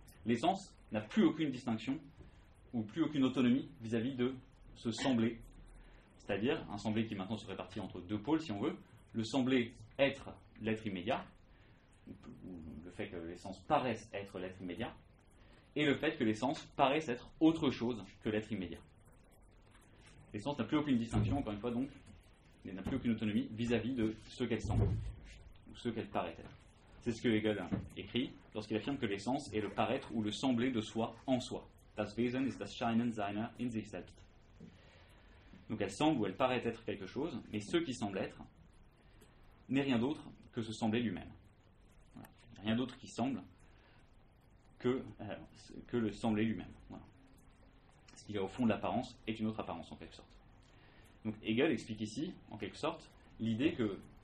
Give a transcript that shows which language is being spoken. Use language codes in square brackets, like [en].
[fr] L'essence n'a plus aucune distinction ou plus aucune autonomie vis-à-vis de ce sembler, c'est-à-dire un sembler qui maintenant se répartit entre deux pôles, si on veut, le sembler être l'être immédiat, ou le fait que l'essence paraisse être l'être immédiat, et le fait que l'essence paraisse être autre chose que l'être immédiat. L'essence n'a plus aucune distinction, encore une fois, donc, elle n'a plus aucune autonomie vis-à-vis de ce qu'elle semble, ou ce qu'elle paraît être. C'est ce que Hegel écrit lorsqu'il affirme que l'essence est le paraître ou le sembler de soi en soi. [de] Das Wesen ist das Scheinen seiner in sich selbst. [fr] Donc elle semble ou elle paraît être quelque chose, mais ce qui semble être n'est rien d'autre que ce sembler lui-même. Voilà. Rien d'autre qui semble que le sembler lui-même. Voilà. Ce qu'il y a au fond de l'apparence est une autre apparence, en quelque sorte. Donc Hegel explique ici, en quelque sorte, l'idée que